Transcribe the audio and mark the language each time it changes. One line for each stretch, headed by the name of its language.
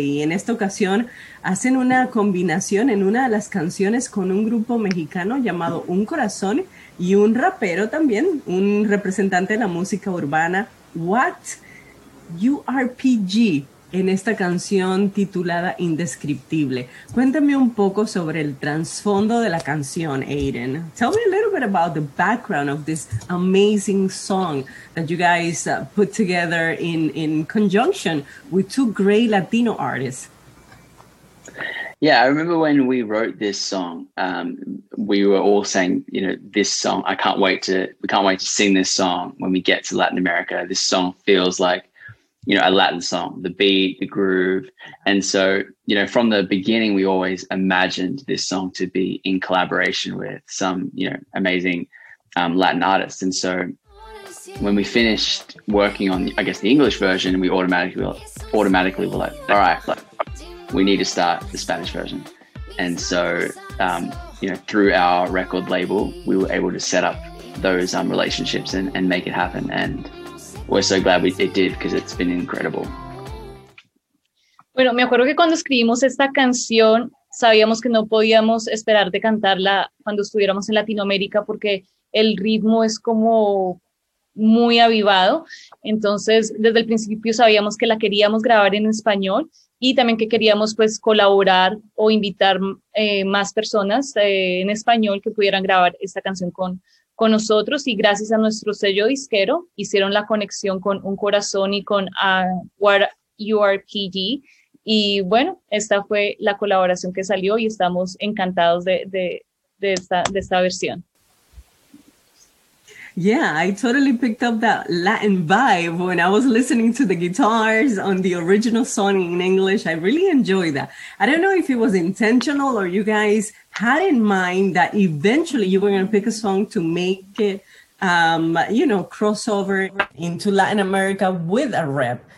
Spanish: Y en esta ocasión hacen una combinación en una de las canciones con un grupo mexicano llamado Un Corazón y un rapero también, un representante de la música urbana, What? URPG, en esta canción titulada Indescriptible. Cuéntame un poco sobre el trasfondo de la canción, Aidan.
English: Tell me a little bit about the background of this amazing song that you guys put together in conjunction with two great Latino artists. Yeah, I remember when we wrote this song, we were all saying, you know, this song, we can't wait to sing this song when we get to Latin America. This song feels like, you know, a Latin song, the beat, the groove. And so, you know, from the beginning, we always imagined this song to be in collaboration with some, you know, amazing Latin artists. And so when we finished working on, I guess, the English version, we automatically were like, all right, like, we need to start the Spanish version. And so, you know, through our record label, we were able to set up those relationships and make it happen. And we're so glad it did because it's been incredible.
Spanish: Bueno, me acuerdo que cuando escribimos esta canción, sabíamos que no podíamos esperar de cantarla cuando estuviéramos en Latinoamérica porque el ritmo es como muy avivado. Entonces, desde el principio sabíamos que la queríamos grabar en español y también que queríamos pues colaborar o invitar más personas en español que pudieran grabar esta canción con nosotros. Y gracias a nuestro sello disquero, hicieron la conexión con Un Corazón y con URPG. Y bueno, esta fue la colaboración que salió y estamos encantados de esta versión.
English: Yeah, I totally picked up that Latin vibe when I was listening to the guitars on the original song in English. I really enjoyed that. I don't know if it was intentional or you guys had in mind that eventually you were going to pick a song to make it, you know, crossover into Latin America with a rap.